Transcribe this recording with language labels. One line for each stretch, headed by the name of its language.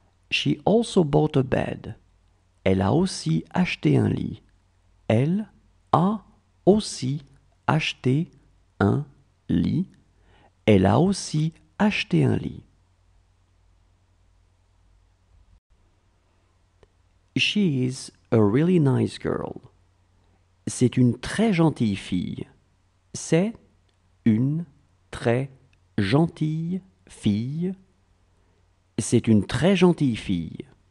English: She also bought a bed.
French: Elle a aussi acheté un lit. Elle a aussi acheté un lit. Elle a aussi acheté un lit.
English: She is a really nice girl.
French: C'est une très gentille fille. C'est une très gentille fille. C'est une très gentille fille.